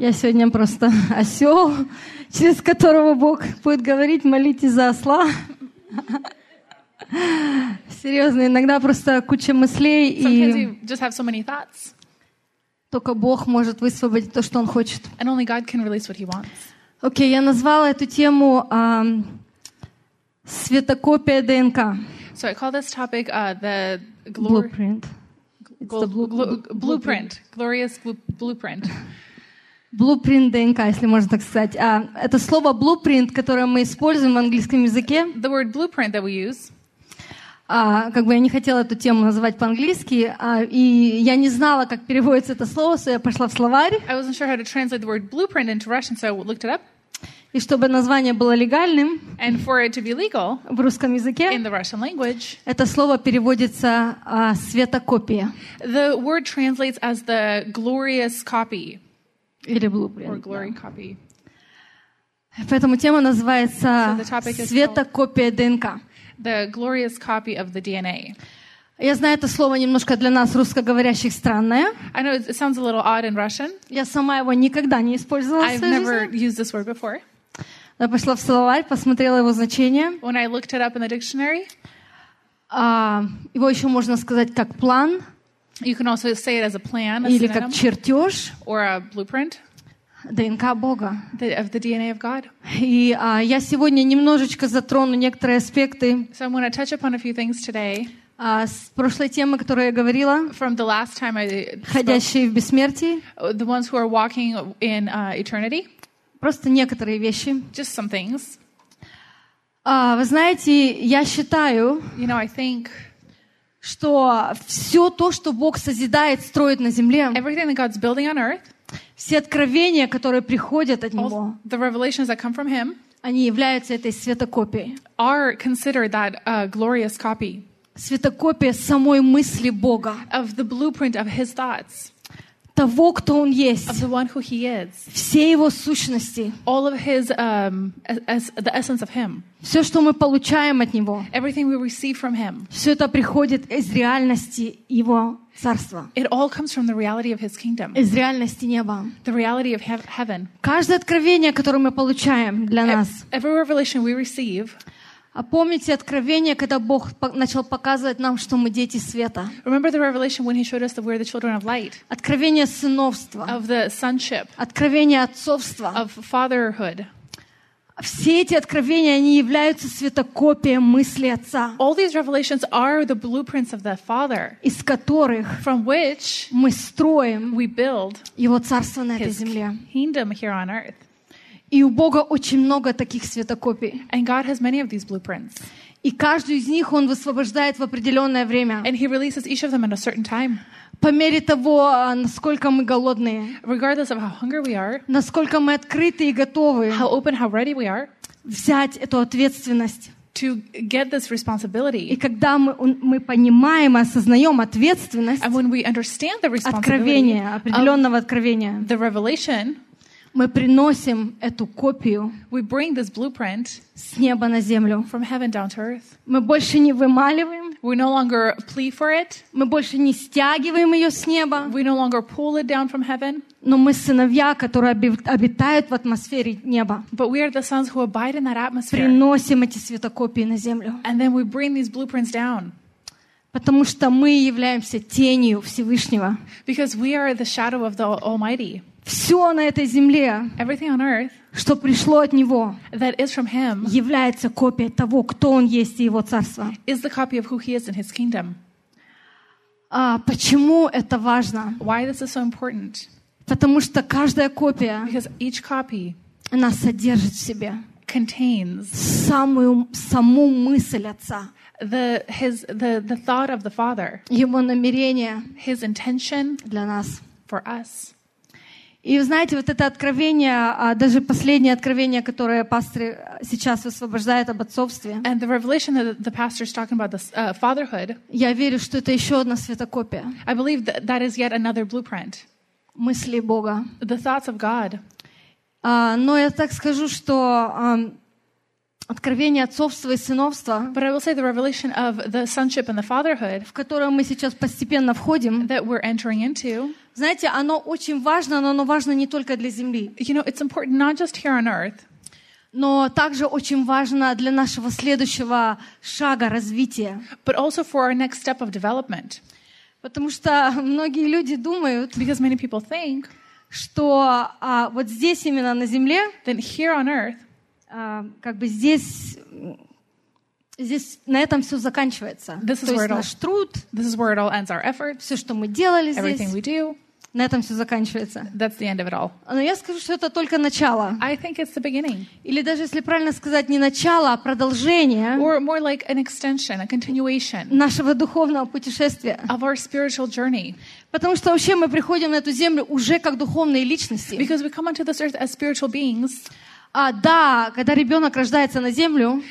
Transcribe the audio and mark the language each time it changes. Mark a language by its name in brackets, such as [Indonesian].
[Russian] Я сегодня просто осел, через которого Бог будет говорить, молитесь за осла. Серьезно, иногда просто куча мыслей. [English] Sometimes you just have so many thoughts. [Russian] Только Бог может высвободить то, что Он хочет. [English] And only God can release what He wants. [Russian] Окей, я назвала эту тему светокопия ДНК. [English] So I call this topic the glory... blueprint. Glorious blueprint. [Russian] Blueprint ДНК, если можно так сказать. Это слово blueprint, которое мы используем в английском языке. [English] The word blueprint that we use. [Russian] Как бы я не хотела эту тему называть по-английски, и я не знала, как переводится это слово, [English] so [Russian] я пошла в словарь. [English] I wasn't sure how to translate the word blueprint into Russian, so I looked it up. [Russian] И чтобы название было легальным, [English] and for it to be legal, [Russian] в русском языке, [English] in the Russian language, [Russian] это слово переводится светокопия. [English] The word translates as the glorious copy. [Russian] Или blueprint. [English] Or glory copy. [Russian] Поэтому тема называется светокопия ДНК. [English] The glorious copy of the DNA. [Russian] Я знаю, это слово немножко для нас русскоговорящих странное. [English] I know it sounds a little odd in Russian. [Russian] Я сама его никогда не использовала. [English] I've never used this word before. [Russian] Я пошла в словарь, посмотрела его значение. [English] When I looked it up in the dictionary. [Russian] Его еще можно сказать как план. [English] You can also say it as a plan. [Russian] Или как чертеж. [English] Or a blueprint. [Russian] ДНК Бога. [English] Of the DNA of God. [Russian] И я сегодня немножечко затрону некоторые аспекты. [English] So I'm going to touch upon a few things today. [Russian] С прошлой темы, которую я говорила. [English] From the last time I spoke. [Russian] Ходящие в бессмертии. [English] The ones who are walking in eternity. [Russian] Просто некоторые вещи. [English] Just some things. [Russian] Вы знаете, я считаю. [English] You know, I think. [Russian] Что все то, что Бог созидает, строит на земле. [English] Everything that God's building on earth. [Russian] Все откровения, которые приходят от Него, [English] the revelations that come from him, [Russian] они являются этой светокопией. [English] Are considered that, glorious copy. [Russian] Светокопия самой мысли Бога. [English] Of the blueprint of his thoughts. [Russian] Того, кто Он есть. [English] Of the one who he is. [Russian] Все Его сущности. [English] All of his, the essence of him. [Russian] Все, что мы получаем от Него. [English] Everything we receive from him. [Russian] Все это приходит из реальности Его Царства. [English] It all comes from the reality of his kingdom. [Russian] Из реальности неба. [English] The reality of heaven. [Russian] Каждое откровение, которое мы получаем для нас. [English] Every revelation we receive. [Russian] А помните откровение, когда Бог начал показывать нам, что мы дети света? [English] Remember the revelation when he showed us that we're the children of light? [Russian] Откровение сыновства. [English] Of the sonship. [Russian] Откровение отцовства. [English] Of fatherhood. [Russian] Все эти откровения, они являются светокопией мысли Отца. [English] All these revelations are the blueprints of the Father. [Russian] Из которых [English] from which [Russian] мы строим [English] we build [Russian] Его Царство на этой земле. [English] Kingdom here on earth. [Russian] И у Бога очень много таких светокопий. [English] And God has many of these blueprints. [Russian] И каждую из них Он высвобождает в определенное время. [English] And he releases each of them at a certain time. [Russian] По мере того, насколько мы голодные, [English] regardless of how hungry we are, [Russian] насколько мы открыты и готовы, [English] how open, how ready we are, [Russian] взять эту ответственность, [English] to get this responsibility, [Russian] и когда мы понимаем и осознаем ответственность, [English] and when we understand the responsibility, [Russian] откровение, определенного откровения, [English] the revelation, [Russian] мы приносим эту копию, [English] we bring this blueprint, [Russian] с неба на землю, [English] from heaven down to earth, [Russian] мы больше не вымаливаем. [English] We no longer plea for it. [Russian] Мы больше не стягиваем ее с неба. [English] We no longer pull it down from heaven. [Russian] Но мы сыновья, которые обитают в атмосфере неба. [English] But we are the sons who abide in that atmosphere. [Russian] Приносим эти светокопии на землю. [English] And then we bring these blueprints down. [Russian] Потому что мы являемся тенью Всевышнего. [English] Because we are the shadow of the Almighty. [Russian] Все на этой земле, [English] everything on earth, [Russian] что пришло от Него, [English] that is from him, [Russian] является копией того, кто Он есть и Его Царство. [English] Is the copy of who he is in his kingdom. [Russian] Почему это важно? [English] Why this is so important? [Russian] Потому что каждая копия, [English] because each copy, [Russian] она содержит в себе [English] contains [Russian] саму мысль Отца. [English] The thought of the Father, [Russian] Его намерение, [English] his intention [Russian] для нас. [English] for us. [Russian] И вы знаете, вот это откровение, даже последнее откровение, которое пастор сейчас высвобождает об отцовстве. [English] And the revelation that the pastor is talking about the fatherhood. [Russian] Я верю, что это еще одна светокопия. [English] I believe that that is yet another blueprint. [Russian] Мысли Бога. [English] The thoughts of God. [Russian] Но я так скажу, что откровение отцовства и сыновства, [English] but I will say the revelation of the sonship and the fatherhood, [Russian] в которое мы сейчас постепенно входим, [English] that we're entering into, [Russian] знаете, оно очень важно, но оно важно не только для земли. [English] You know, it's important not just here on earth, [Russian] но также очень важно для нашего следующего шага развития. [English] But also for our next step of development. [Russian] Потому что многие люди думают, [English] because many people think, [Russian] что вот здесь именно на земле, [English] then here on earth, [Russian] как бы здесь на этом все заканчивается. [English] This is [Russian] то [English] where [Russian] есть наш труд, [English] this is where it all ends, our effort, [Russian] все, что мы делали [English] everything [Russian] здесь, [English] we do, [Russian] на этом все заканчивается. [English] That's the end of it all. [Russian] Но я скажу, что это только начало. [English] I think it's the beginning. [Russian] Или даже, если правильно сказать, не начало, а продолжение, [English] or more like an extension, a continuation, [Russian] нашего духовного путешествия. [English] Of our spiritual journey. [Russian] Потому что вообще мы приходим на эту землю уже как духовные личности. [English] Because we come onto this earth as spiritual beings. [Russian] Да, когда ребенок рождается на землю,